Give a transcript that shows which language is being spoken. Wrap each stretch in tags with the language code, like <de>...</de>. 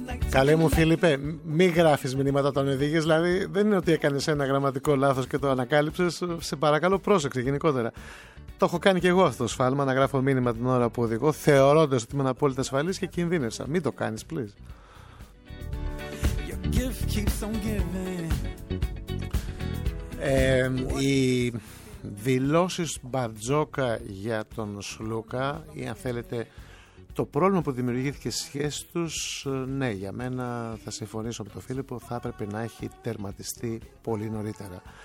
<el>Καλέ μου Φίλιππε, μη γράφεις μηνύματα όταν οδηγείς, δηλαδή δεν είναι ότι έκανες ένα γραμματικό λάθος και το ανακάλυψες, σε παρακαλώ πρόσεξε γενικότερα. Το έχω κάνει και εγώ αυτό το σφάλμα, να γράφω μήνυμα την ώρα που οδηγώ, θεωρώντας ότι είμαι απόλυτα ασφαλής και κινδύνευσα. Μην το κάνεις, please.</el> <en>Your gift keeps on giving.</en> <el>Οι δηλώσεις Μπαρτζόκα για τον Σλούκα, ή αν θέλετε, το πρόβλημα που δημιουργήθηκε στις σχέσεις τους, ναι, για μένα θα συμφωνήσω με τον Φίλιππο, θα έπρεπε να έχει τερματιστεί πολύ νωρίτερα.</el>